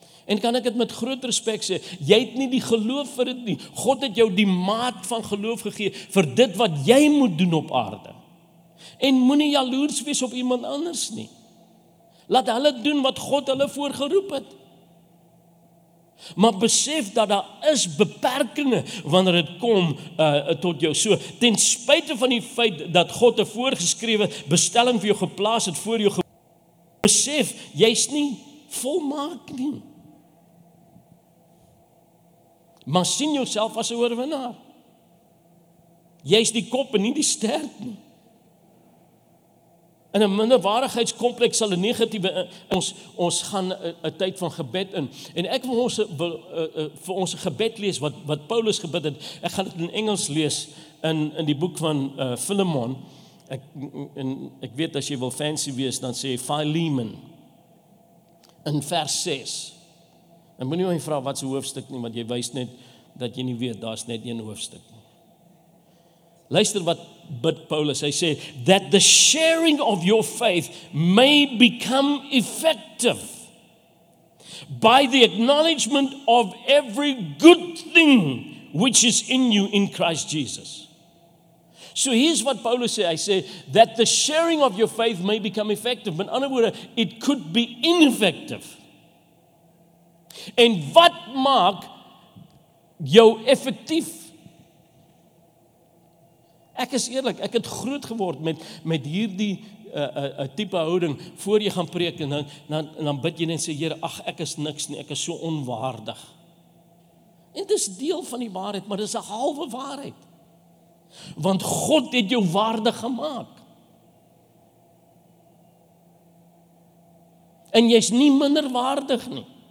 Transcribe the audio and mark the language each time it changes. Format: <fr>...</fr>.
<af>En kan ek het met groot respect sê, jy het nie die geloof vir dit nie. God het jou die maat van geloof gegee vir dit wat jy moet doen op aarde. En moenie jaloers wees op iemand anders nie. Laat hulle doen wat God hulle voor geroep het. Maar besef dat daar is beperkinge wanneer het kom tot jou. So, ten spuite van die feit dat God een voorgeskrewe bestelling vir jou geplaas het voor jou besef, jy is nie volmaak nie. Maar sien jouself as 'n oorwinnaar. Jy is die kop en nie die stert nie. In 'n minderwaardigheidskompleks sal 'n negatiewe ons gaan 'n tyd van gebed in. En ek wil ons vir ons gebed lees wat Paulus gebid het. Ek gaan dit in Engels lees in die boek van Philemon. Ek weet as jy wil fancy wees dan sê Philemon in vers 6. En moet nie my vraag wat is hoofdstuk nie, want jy wees net dat jy nie weet, daar is net een hoofdstuk nie. Luister wat bid Paulus, hy sê,</af> <en>that the sharing of your faith may become effective by the acknowledgement of every good thing which is in you in Christ Jesus. So here's what Paulus</en> <af>sê, hy sê,</af> <en>that the sharing of your faith may become effective, but in other words, it could be ineffective.</en> <af>En wat maak jou effectief? Ek is eerlijk, ek het groot geword met hierdie type houding, voor jy gaan preek, en dan bid jy en sê, Heer, ach, ek is niks nie, ek is so onwaardig. En dit is deel van die waarheid, maar dit is een halve waarheid. Want God het jou waardig gemaakt. En jy is nie minder waardig nie.</af>